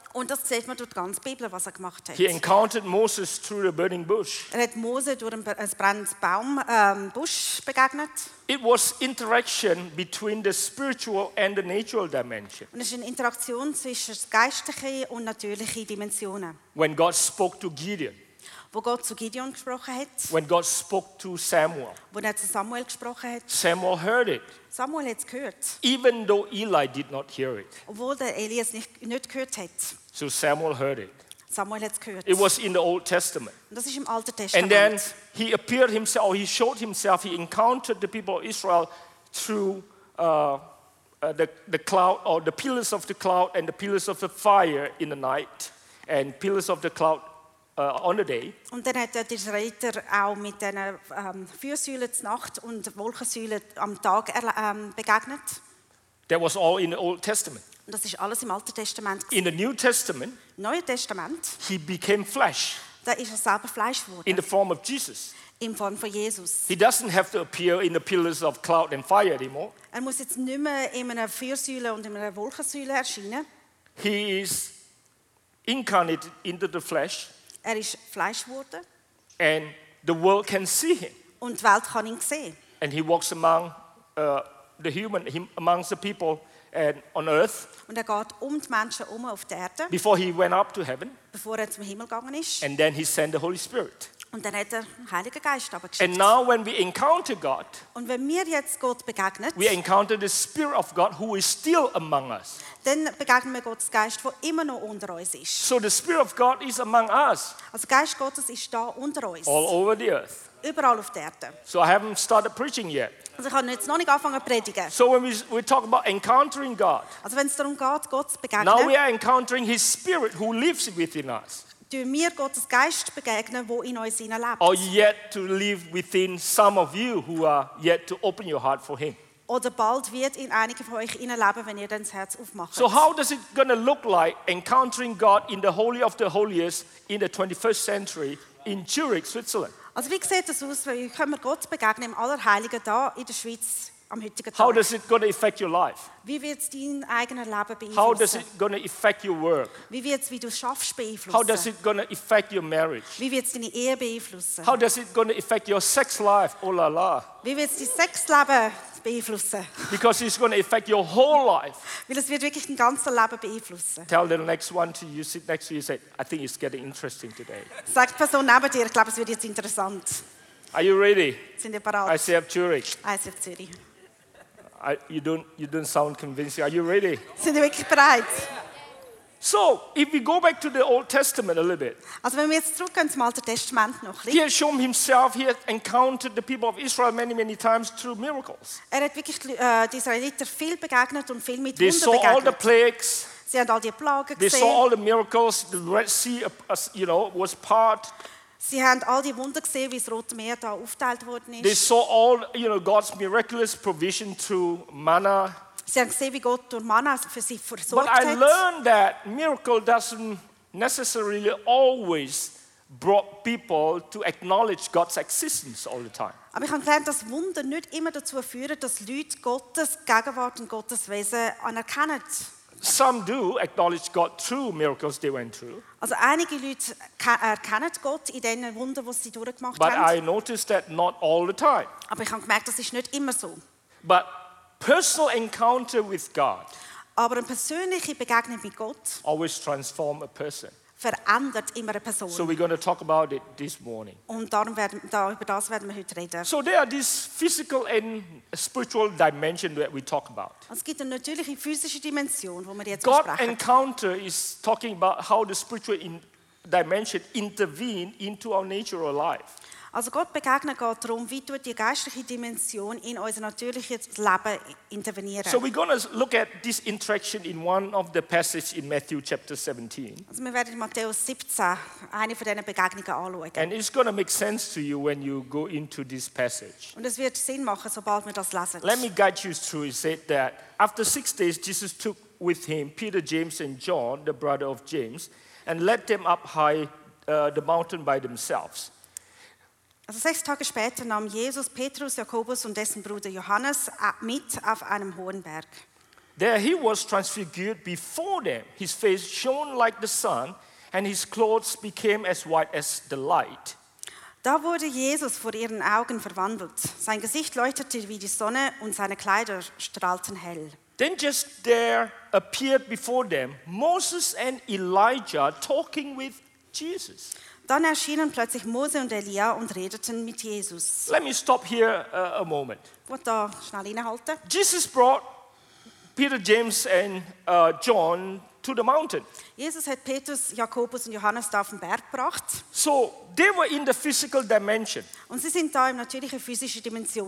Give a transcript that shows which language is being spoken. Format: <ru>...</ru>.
<de>Und das sieht man durch die ganze Bibel, was gemacht hat.</de> <en>He encountered Moses through the burning bush.</en> <de>Er hat Mose durch einen brennenden Baum, Busch begegnet.</de> <en>It was interaction between the spiritual and the natural dimension.</en> <de>Und es ist eine Interaktion zwischen geistlichen und natürlichen Dimensionen.</de> <en>When God spoke to Gideon.</en> <de>Wo Gott zu Gideon gesprochen hat.</de> <en>When God spoke to Samuel.</en> <de>Wo er zu Samuel gesprochen hat.</de> <en>Samuel heard it.</en> <de>Samuel hat's gehört.</de> <en>Even though Eli did not hear it.</en> <de>Obwohl der Elias nicht gehört hat.</de> <en>So Samuel heard it.</en> <de>Samuel hat's gehört.</de> <en>It was in the Old Testament.</en> <de>Und das ist im Alten Testament.</de> <en>And then he appeared himself, or he showed himself, he encountered the people of Israel through the cloud, or the pillars of the cloud and the pillars of the fire in the night, and pillars of the cloud on the day.</en> <de>Und dann hat der Israeliter auch mit den Feuersäulen zur Nacht und Wolkensäulen am Tag begegnet.</de> <en>That was all in the Old Testament.</en> <de>Und das ist alles im Alten Testament.</de> <en>In the New Testament,</en> <de>Neue Testament,</de> <en>he became flesh.</en> <de>Da ist er selber Fleisch geworden.</de> <en>In the form of Jesus.</en> <de>In Form von Jesus.</de> <en>He doesn't have to appear in the pillars of cloud and fire anymore.</en> <de>Er muss jetzt nicht mehr in einer Feuersäule und in einer Wolkensäule erscheinen.</de> <en>He is incarnated into the flesh.</en> <de>Er ist Fleisch geworden.</de> <en>And the world can see him.</en> <de>Und die Welt kann ihn sehen.</de> <en>And he walks among the human, amongst the people and on earth.</en> <de>Und er geht die Menschen auf der Erde.</de> <en>Before he went up to heaven.</en> <de>Bevor er zum Himmel gegangen ist.</de> <en>And then he sent the Holy Spirit.</en> <de>Und dann hat er den Heiligen Geist aber geschickt.</de> <en>And now when we encounter God.</en> <de>Und wenn wir jetzt Gott begegnen.</de> <en>We encounter the Spirit of God who is still among us.</en> <de>Dann begegnen wir Gottes Geist, der immer noch unter uns ist.</de> <en>So the Spirit of God is among us.</en> <de>Also Geist Gottes ist da unter uns.</de> <en>All over the earth.</en> <de>Überall auf der Erde.</de> <en>So I haven't started preaching yet.</en> <de>Also ich habe jetzt noch nicht angefangen zu predigen.</de> <en>So when we talk about encountering God.</en> <de>Also wenn es darum geht, Gott zu begegnen.</de> <en>Now we are encountering His Spirit who lives within us.</en> <de>Durch mir Gottes Geist begegnen, wo in uns hineinlebt.</de> <en>Or yet to live within some of you who are yet to open your heart for Him.</en> <de>Oder bald wird in einigen von euch hineinleben, wenn ihr dann das Herz aufmacht.</de> <en>So how does it going to look like encountering God in the Holy of the Holiest in the 21st century in Zurich, Switzerland?</en> <de>Also wie sieht das aus, wie können wir Gott begegnen im Allerheiligen da in der Schweiz am heutigen Tag?</de> <en>How does it going to affect your life?</en> <de>Wie wird es dein eigenes Leben beeinflussen?</de> <en>How does it going to affect your work?</en> <de>Wie wird es, wie du schaffst, beeinflussen?</de> <en>How does it going to affect your marriage?</en> <de>Wie wird es deine Ehe beeinflussen?</de> <en>How does it going to affect your sex life? Oh la la.</en> <de>Wie wird es dein Sexleben?</de> <en>Because it's going to affect your whole life.</en> <de>Weil es wird wirklich dein ganzes Leben beeinflussen.</de> <en>Tell the next one to you, sit next to you, say, I think it's getting interesting today.</en> <de>Sag die Person neben dir, ich glaube, es wird jetzt interessant.</de> <en>Are you ready?</en> <de>Sind ihr bereit?</de> <en>I say up Zurich. I say up Zurich. You don't sound convincing. Are you ready?</en> <de>Sind ihr wirklich bereit?</de> <en>So, if we go back to the Old Testament a little bit.</en> <de>Also, wenn wir jetzt zurückgehen zum Alten Testament noch ein bisschen.</de> <en>Jeschua himself, he had encountered the people of Israel many, many times through miracles.</en> <de>Er hat wirklich die Israeliter viel begegnet und viel mit Wunder begegnet.</de> <en>They saw all the plagues.</en> <de>Sie haben all die Plagen gesehen.</de> <en>They saw all the miracles. The Red Sea, you know, was part.</en> <de>Sie haben all die Wunder gesehen, wie das Rote Meer da aufgeteilt worden ist.</de> <en>They saw all, you know, God's miraculous provision through manna.</en> <de>Sie haben gesehen, wie Gott durch Manna für sie versorgt hat.</de> <en>But I learned that miracle doesn't necessarily always brought people to acknowledge God's existence all the time.</en> <de>Aber ich habe gelernt, dass Wunder nicht immer dazu führen, dass Leute Gottes Gegenwart und Gottes Wesen anerkennen.</de> <en>Some do acknowledge God through miracles they went through.</en> <de>Also einige Leute erkennen Gott in den Wundern, die sie durchgemacht</de> <en>but</en> <de>haben.</de> <en>But I noticed that not all the time.</en> <de>Aber ich habe gemerkt, das ist nicht immer so.</de> <en>But personal encounter with God.</en> <de>Aber eine persönliche Begegnung mit Gott.</de> <en>Always transform a person.</en> <de>Verändert immer eine Person.</de> <en>So we're going to talk about it this morning.</en> <de>Und darum über das werden wir heute reden.</de> <en>So there are these physical and spiritual dimensions that we talk about.</en> <de>Es gibt eine natürliche physische Dimension, wo wir jetzt God besprechen.</de> <en>Encounter is talking about how the spiritual dimension intervene into our natural life.</en> <de>Also Gott begegnet geht darum, wie tut die geistliche Dimension in unser natürliches Leben intervenieren.</de> <en>So we're going to look at this interaction in one of the passages in Matthew chapter 17.</en> <de>Also wir werden Matthäus 17 eine von diesen Begegnungen anschauen.</de> <en>And it's going to make sense to you when you go into this passage.</en> <de>Und es wird Sinn machen, sobald wir das lesen.</de> <en>Let me guide you through. It said that after 6 days, Jesus took with him Peter, James and John, the brother of James, and led them up high the mountain by themselves.</en> <de>Also 6 Tage später nahm Jesus Petrus, Jakobus und dessen Bruder Johannes mit auf einem hohen Berg.</de> <en>There he was transfigured before them. His face shone like the sun, and his clothes became as white as the light.</en> <de>Da wurde Jesus vor ihren Augen verwandelt. Sein Gesicht leuchtete wie die Sonne, und seine Kleider strahlten hell.</de> <en>Then just there appeared before them Moses and Elijah talking with Jesus.</en> <de>Dann erschienen plötzlich Mose und Elia und redeten mit Jesus.</de> <en>Let me stop here a moment.</en> <de>Wollt da schnell innehalten?</de> <en>Jesus brought Peter, James and John to the mountain.</en> <de>Jesus hat Petrus, Jakobus und Johannes da auf den Berg gebracht.</de> <en>So they were in the physical dimension.</en> <de>Und sie sind da im natürlichen physischen Dimension.</de>